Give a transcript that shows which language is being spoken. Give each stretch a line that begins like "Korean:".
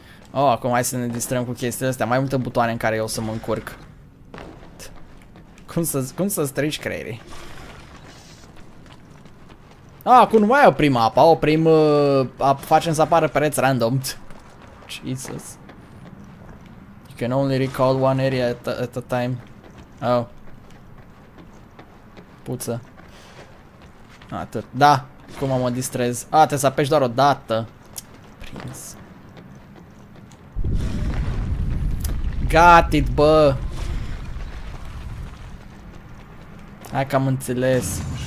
Romanian: Oh, acum hai să ne distrăm cu chestiile astea. Mai multe butoane în care eu o să mă încurc. Cum să strici creierii? Ah, acum nu mai oprim apa, oprim... facem să apară pereți random.
English: Jesus. You can only recall one area at a time. Oh. Puță.
Romanian: Atât. Da. Cum mă distrez? Ah, trebuie să apeși doar o dată. Prins.
English: Got it, bă.
Romanian: Hai că am înțeles.